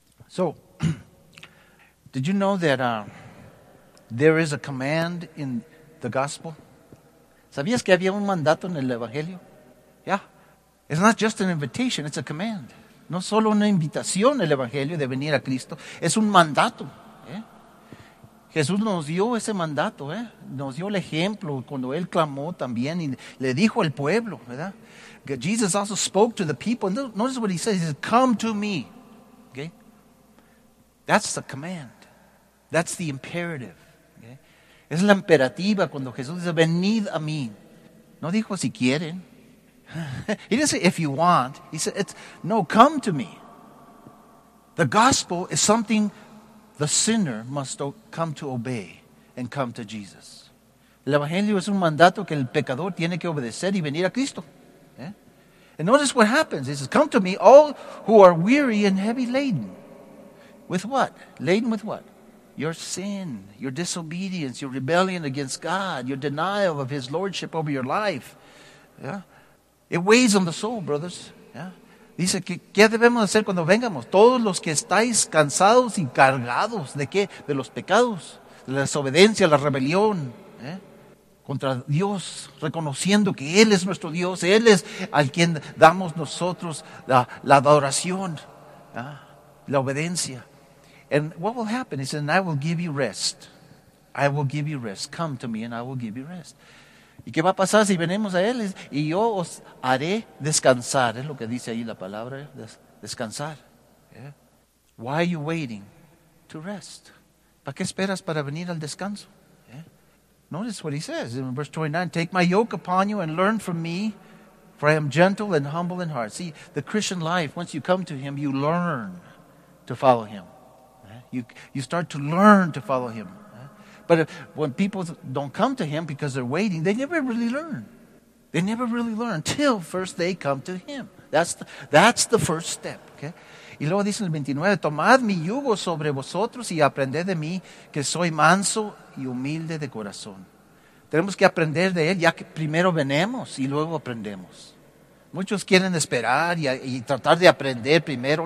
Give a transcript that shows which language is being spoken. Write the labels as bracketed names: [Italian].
[English] So, did you know that there is a command in the gospel? [Spanish] ¿Sabías que había un mandato en el evangelio? [English] Yeah. It's not just an invitation, it's a command. [Spanish] No solo una invitación el evangelio de venir a Cristo, es un mandato. ¿Eh? Jesús nos dio ese mandato. ¿Eh? Nos dio el ejemplo cuando Él clamó también y le dijo al pueblo, ¿verdad? [English] Jesus also spoke to the people. Notice what he says. He says, come to me. Okay? That's the command. That's the imperative. [Spanish] Es la imperativa cuando Jesús dice, venid a mí. No dijo si quieren. [English] He didn't say if you want. He said, it's, no, come to me. The gospel is something the sinner must come to obey and come to Jesus. [Spanish] El evangelio es un mandato que el pecador tiene que obedecer y venir a Cristo. [English] And notice what happens. He says, come to me, all who are weary and heavy laden. With what? Laden with what? Your sin, your disobedience, your rebellion against God, your denial of his lordship over your life. Yeah? It weighs on the soul, brothers. Yeah? [Spanish] Dice, ¿qué debemos hacer cuando vengamos? Todos los que estáis cansados y cargados, ¿de qué? De los pecados, de la desobediencia, la rebelión. ¿Eh? Contra Dios, reconociendo que Él es nuestro Dios, Él es al quien damos nosotros la adoración, ¿eh? La obediencia. [English] And what will happen? He says, and I will give you rest. I will give you rest. Come to me and I will give you rest. [Spanish] ¿Y qué va a pasar si venimos a Él? Y yo os haré descansar. Es lo que dice ahí la palabra, descansar. ¿Eh? [English] Why are you waiting to rest? [Spanish] ¿Para qué esperas para venir al descanso? [English] Notice what he says in verse 29. Take my yoke upon you and learn from me, for I am gentle and humble in heart. See, the Christian life, once you come to him, you learn to follow him. You start to learn to follow him. But when people don't come to him because they're waiting, they never really learn. They never really learn until first they come to him. That's the first step. Okay? [Spanish] Y luego dice en el 29, tomad mi yugo sobre vosotros y aprended de mí, que soy manso y humilde de corazón. Tenemos que aprender de Él, ya que primero venemos y luego aprendemos. Muchos quieren esperar y tratar de aprender primero.